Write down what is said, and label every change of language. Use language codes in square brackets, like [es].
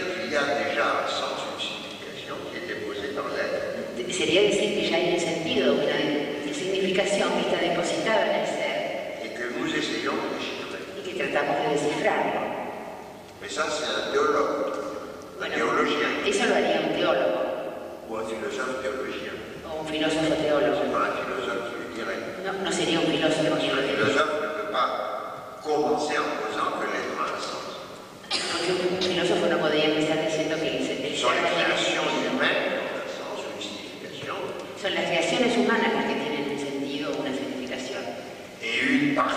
[fr] Il y a déjà un sens, une signification qui est déposée dans l'être. [es] Sería decir que ya hay un sentido, una significación que está depositada en el ser. [fr] Et que nous essayons de déchiffrer. [es] Y que tratamos de descifrarlo. [fr] Mais ça, c'est un théologue. Un théologien. [es] Eso lo haría un teólogo. [fr] Ou un philosophe théologien. [es] O un filósofo teólogo. [fr] C'est pas un philosophe qui le dirait. [es] No sería un filósofo [fr] qui le dirait. Un philosophe ne peut pas commencer en posant que l'être a un sens. [es] Un filósofo no podría empezar diciendo que son las creaciones humanas las que tienen un sentido o una significación.